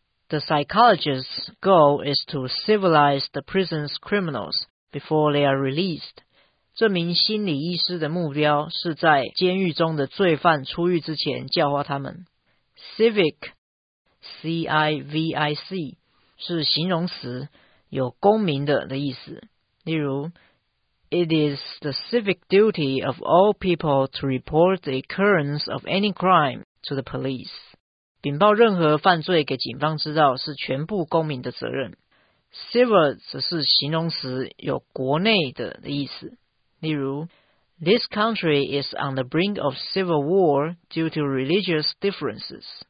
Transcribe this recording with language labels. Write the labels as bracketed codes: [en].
[en] The psychologist's goal is to civilize the prison's criminals before they are released. [zh] 这名心理医师的目标是在监狱中的罪犯出狱之前教化他们。 Civic, C-I-V-I-C, 是形容词，有公民的意思。例如 [en] ,It is the civic duty of all people to report the occurrence of any crime to the police. [zh] 禀报任何犯罪给警方知道是全部公民的责任。 Civil 则是形容词，有国内的意思。例如 [en] ，This country is on the brink of civil war due to religious differences。